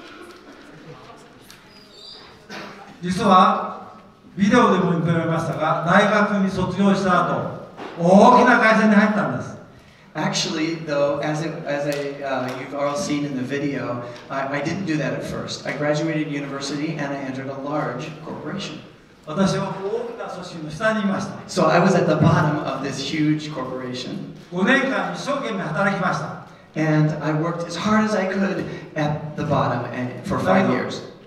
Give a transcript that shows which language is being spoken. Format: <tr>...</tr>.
<ja>はい、実はビデオでも言っておりましたが、大学に卒業した後、大きな会社に入ったんです。</ja> <en>Actually, though, you've all seen in the video, I didn't do that at first. I graduated university and I entered a large corporation.</en> <ja>私は大きな組織の下にいました。</ja> <en>So I was at the bottom of this huge corporation.</en> <ja>5年間一生懸命働きました。</ja> <en>And I worked as hard as I could at the bottom and for 5 years.</en>